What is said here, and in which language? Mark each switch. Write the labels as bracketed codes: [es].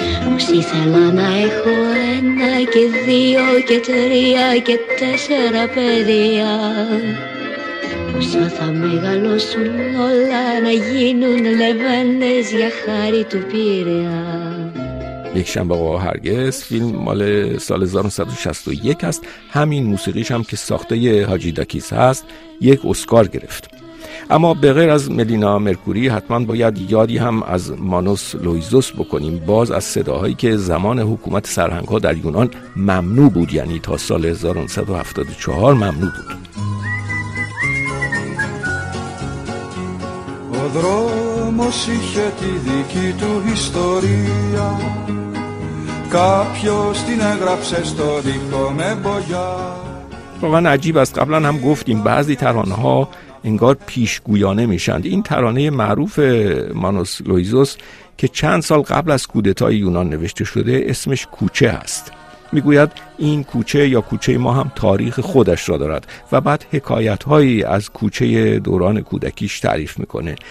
[el] Μους ήθελα να έχω ένα και δύο και τρία και τέσσερα παιδιά, όσα θα μεγαλώσουν όλα να γίνουν λεβέντες για χάρη του Πειραιά. [fa] یک شنبه و هرگز فیلم مال سال 1961 است. همین موسیقیش هم که ساخته حاجی داکیس هست یک اسکار گرفت. اما به غیر از ملینا مرکوری حتما باید یادی هم از مانوس لویزوس بکنیم، باز از صداهایی که زمان حکومت سرهنگ ها در یونان ممنوع بود، یعنی تا سال 1974 ممنوع بود. [el] Δρόμος είχε τη δική του ιστορία, κάποιος την έγραψε στο δικό με μπογιά. [fa] واقعا عجیب است. قبلا هم گفتیم بعضی ترانه ها انگار پیشگویانه میشند. این ترانه معروف مانوس لویزوس که چند سال قبل از کودتای یونان نوشته شده اسمش کوچه است. میگوید این کوچه یا کوچه ما هم تاریخ خودش را دارد و بعد حکایت هایی از کوچه دوران کودکیش تعریف میکنه.